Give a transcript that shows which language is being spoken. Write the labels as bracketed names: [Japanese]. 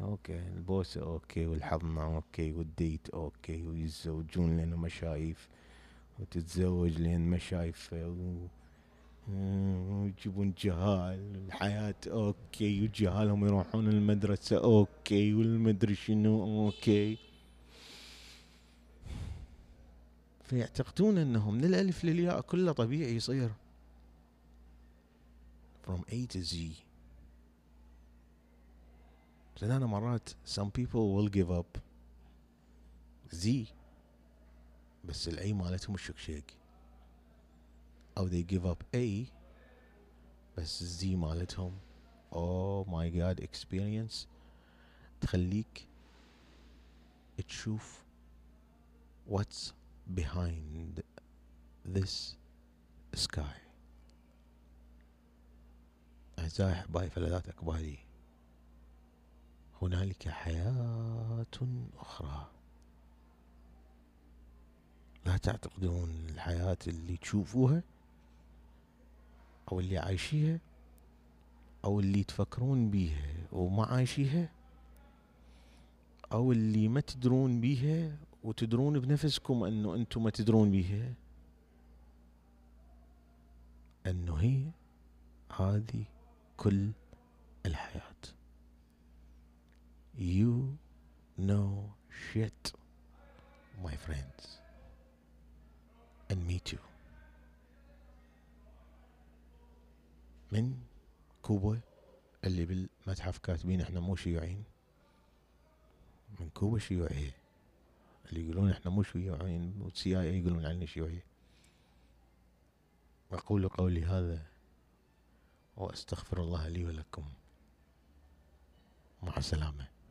[Arabic] اوكي البوسه اوكي والحضنه اوكي والديت اوكي ويتزوجون لانه ما شايف وتتزوج لان ما شايف ويجيبون جهال الحياه اوكي وجهالهم يروحون المدرسه اوكي والمدري شنو اوكي. فيعتقدون انهم من الالف للياء كله طبيعي يصير [English] from A to Z. [Arabic] لأن أنا مرات [English] some people will give up Z [Arabic] بس الأي مالتهم الشكشيك، أو [English] they give up A [Arabic] بس Z مالتهم [English] oh my god experience [Arabic] تخليك تشوف [English] what's behind this sky. [Arabic] أعزائي أحبائي فلذات أكبالي، هنالك حياة أخرى. لا تعتقدون الحياة اللي تشوفوها أو اللي عايشيها أو اللي تفكرون بيها وما عايشيها أو اللي ما تدرون بيها وتدرون بنفسكم أنه أنتم ما تدرون بيها، أنه هي هذه كل الحياة. [English] You know shit, my friends, and me too. [Arabic] من كوبا اللي بالمتحف كاتبين احنا مو شيوعين، من كوبا شيوعية اللي يقولون احنا مو شيوعين والسي اي يقولون علينا شيوعية. اقول قولي هذا واستغفر الله لي ولكم. مع السلامة.